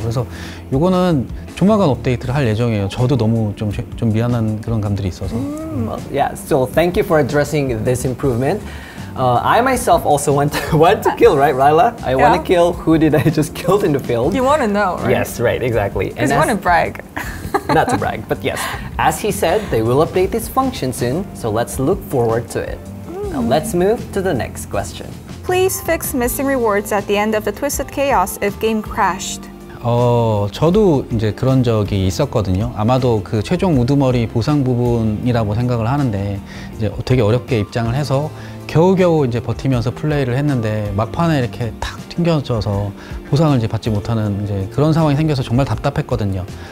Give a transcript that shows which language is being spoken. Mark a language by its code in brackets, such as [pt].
[ko] 그래서 이거는 조만간 업데이트를 할 예정이에요. 저도 너무 좀 미안한 그런 감들이 있어서. [en] Well, yeah, so thank you for addressing this improvement. I myself also want to kill, right, Ryla? I want to kill who did I just kill in the field. You want to know, right? Yes, right, exactly. Because you want to brag. Not to brag, but yes. As he said, they will update this function soon, so let's look forward to it. Mm. Now let's move to the next question. Please fix missing rewards at the end of the Twisted Chaos if game crashed. [ko] 저도 이제 그런 적이 있었거든요. 아마도 그 최종 우두머리 보상 부분이라고 생각을 하는데 이제 되게 어렵게 입장을 해서 겨우겨우 이제 버티면서 플레이를 했는데 막판에 이렇게 탁 튕겨져서 보상을 이제 받지 못하는 이제 그런 상황이 생겨서 정말 답답했거든요.